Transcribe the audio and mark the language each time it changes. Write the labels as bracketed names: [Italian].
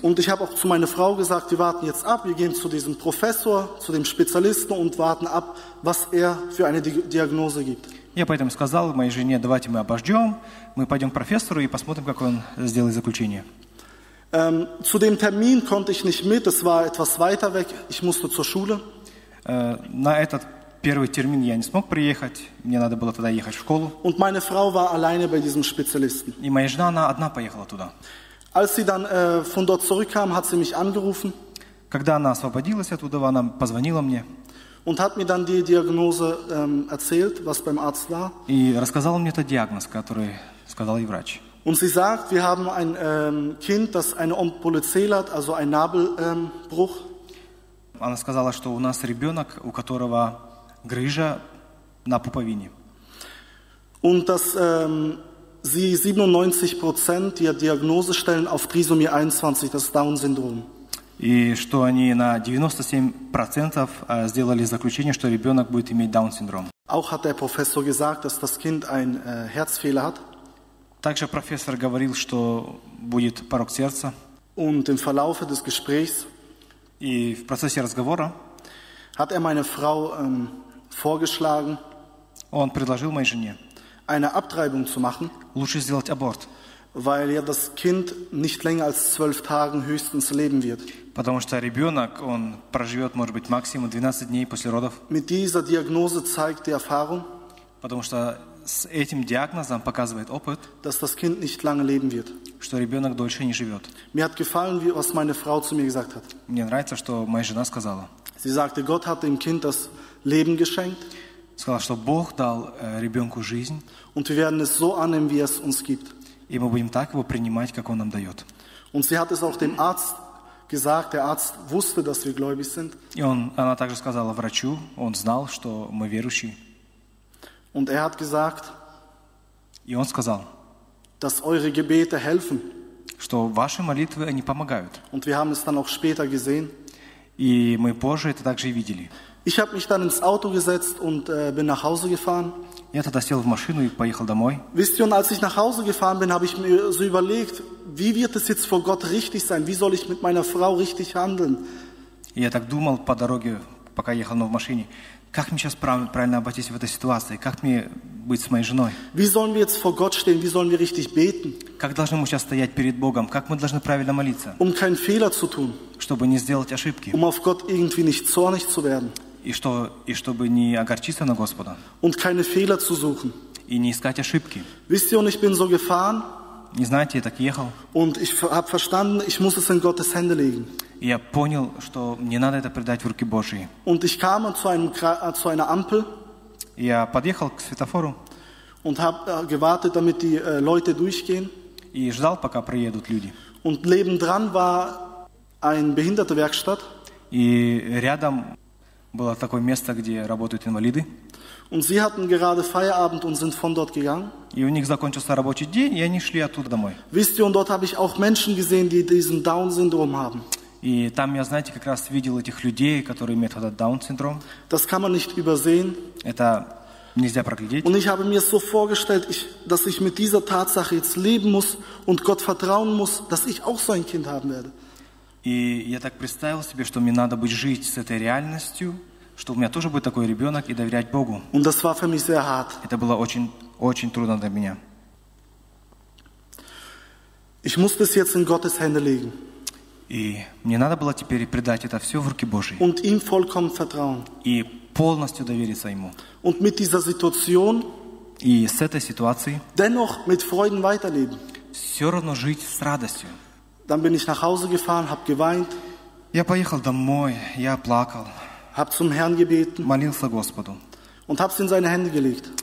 [German] Und ich habe auch zu meiner Frau gesagt, wir warten jetzt ab, wir gehen zu diesem Professor, zu dem Spezialisten und warten ab, was er für eine Diagnose gibt. [Russian] Я поэтому сказал моей жене, давайте мы обождем, мы пойдем к профессору и посмотрим, как он сделает заключение. [German] Zu dem Termin konnte ich nicht mit, es war etwas weiter weg, ich musste zur Schule. [Russian] На этот первый термин я не смог приехать, мне надо было тогда ехать в школу. [German] Und meine Frau war alleine bei diesem Spezialisten. [Russian] И моя жена, она одна поехала туда. [German] Als sie dann von dort zurückkam, hat sie mich angerufen. [Russian] Когда она освободилась оттуда, она позвонила мне. [German] Und hat mir dann die Diagnose erzählt, was beim Arzt war. [Russian] И рассказал мне этот диагноз, который сказал ей врач. [German] Und sie sagt, wir haben ein Kind, das eine Ompolyzele hat, also ein Nabelbruch. [Russian] Она сказала, что у нас ребенок, у которого грыжа на пуповине. [German] Und dass sie 97% der Diagnose stellen auf Trisomie 21, das Down-Syndrom. [Russian] И что они на 97% сделали заключение, что ребенок будет иметь Даун-синдром. [German] Auch hat der Professor gesagt, dass das Kind ein Herzfehler hat. [Russian] Также профессор говорил, что будет порок сердца. [German] Und im Verlaufe des Gesprächs [Russian] и в процессе разговора [German] hat meine Frau vorgeschlagen, [Russian] он предложил моей жене [German] eine Abtreibung zu machen, [Russian] лучше сделать аборт. [German] Weil ja das Kind nicht länger als 12 Tagen höchstens leben wird. [Russian] Потому что ребенок, он проживет, может быть, максимум 12 дней после родов. [German] Mit dieser Diagnose zeigt die Erfahrung, [Russian] потому что с этим диагнозом показывает опыт, [German] dass das Kind nicht lange leben wird. [Russian] Что ребенок дольше не живет. [German] Mir hat gefallen, was meine Frau zu mir gesagt hat. [Russian] Мне нравится, что моя жена сказала. [German] Sie sagte, Gott hat dem Kind das Leben geschenkt. [Russian] Сказала, что Бог дал ребенку жизнь. [German] Und wir werden es so annehmen, wie es uns gibt. [Russian] И мы будем так его принимать, как он нам дает. [German] Und sie hat es auch dem Arzt gesagt. Der Arzt wusste, dass wir gläubig sind. [Russian] И он, она также сказала врачу, он знал, что мы верующие. [German] Und er hat gesagt, [Russian] и он сказал, [German] dass eure Gebete helfen. [Russian] Что ваши молитвы, они помогают. [German] Und wir haben es dann auch später gesehen. [Russian] И мы позже это также видели. [German] Ich habe mich dann ins Auto gesetzt und bin nach Hause gefahren. [Russian] Я тогда сел в машину и поехал домой. [German] Wisst ihr, als ich nach Hause gefahren bin, habe ich mir so überlegt, wie wird es jetzt vor Gott richtig sein? Wie soll ich mit meiner Frau richtig handeln? [Russian] Я так думал по дороге, пока ехал, но в машине. Как мне сейчас правильно обойтись в этой ситуации? Как мне быть с моей женой? [German] Wie sollen wir jetzt vor Gott stehen? Wie sollen wir richtig beten? [Russian] Как должны мы сейчас стоять перед Богом? Как мы должны правильно молиться? [German] Um keinen Fehler zu tun. [Russian] Чтобы не сделать ошибки. [German] Um auf Gott irgendwie nicht zornig zu werden. [Russian] И чтобы не огорчиться на Господа. [German] Und keine Fehler zu suchen. [Russian] И не искать ошибки. [German] Wisst ihr, und ich bin so gefahren. [Russian] Не знаете, я так ехал. [German] Und ich habe verstanden, ich muss es in Gottes Hände legen. [Russian] И я понял, что мне надо это предать в руки Божьи. [German] Und ich kam zu einer Ampel. [Russian] Я подъехал к светофору. [German] Und habe gewartet, damit die Leute durchgehen. [Russian] И ждал, пока приедут люди. [German] Und neben dran war ein Behindertenwerkstatt. [Russian] И рядом было такое место, где работают инвалиды. [German] Und sie hatten gerade Feierabend und sind von dort gegangen. [Russian] И у них закончился рабочий день, и они шли оттуда домой. [German] Wisst ihr, und dort habe ich auch Menschen gesehen, die diesen Down-Syndrom haben. [Russian] И там я, знаете, как раз видел этих людей, которые имеют этот Down-Syndrom. [German] Das kann man nicht übersehen. [Russian] Это нельзя проглядеть. [German] Und ich habe mir so vorgestellt, dass ich mit dieser Tatsache jetzt leben muss und Gott vertrauen muss, dass ich auch so ein Kind haben werde. [Russian] И я так представил себе, что мне надо быть жить с этой реальностью, что у меня тоже будет такой ребенок и доверять Богу. [German] Und das war für mich sehr hart. [Russian] Это было очень, очень трудно для меня. [German] Ich muss das jetzt in Gottes Hände legen. [Russian] И мне надо было теперь предать это все в руки Божьи. [German] Und ihm vollkommen vertrauen. [Russian] И полностью довериться ему. [German] Und mit dieser Situation, [Russian] и с этой ситуацией [German] dennoch mit Freuden weiterleben. [Russian] Все равно жить с радостью. [German] Dann bin ich nach Hause gefahren, hab geweint. [Russian] Я поехал домой, я плакал. [German] Hab zum Herrn gebeten. [Russian] Молился Господу. [German] Und hab's in seine Hände gelegt.